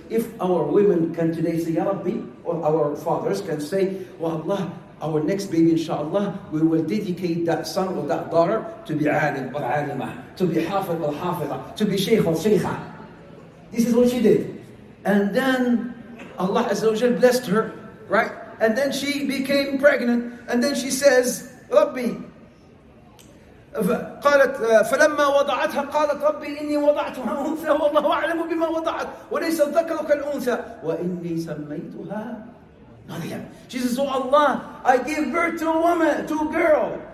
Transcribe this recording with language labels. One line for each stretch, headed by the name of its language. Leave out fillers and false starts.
English: If our women can today say, Ya Rabbi, or our fathers can say, Wallah, our next baby, inshallah, we will dedicate that son or that daughter to be alim or alimah, to be hafid or hafidah, to be sheikh or sheikha. This is what she did. And then Allah Azza wa Jalla blessed her. Right? And then she became pregnant. And then she says, Rabbi.
Arabic: قالت فلما وضعتها قالت ربي إني وضعتها أنثى والله أعلم بما وضعت وليس الذكر كالأنثى وإني سميتها مريم.
English: She says, Oh Allah, I gave birth to a woman, to a girl.